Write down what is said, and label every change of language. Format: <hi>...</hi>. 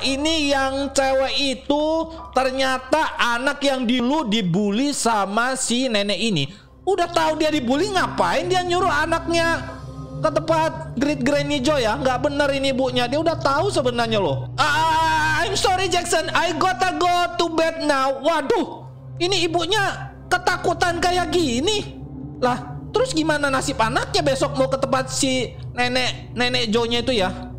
<id>Ini yang cewek itu ternyata anak yang dulu dibully sama si nenek ini. Udah tahu dia dibully, ngapain dia nyuruh anaknya ke tempat Great Granny Joe ya? Gak bener ini ibunya. Dia udah tahu sebenarnya loh.</id> <en>I'm sorry Jackson, I gotta go to bed now.</en> <id>Waduh, ini ibunya ketakutan kayak gini. Lah, terus gimana nasib anaknya besok mau ke tempat si nenek Joe-nya itu ya?</id>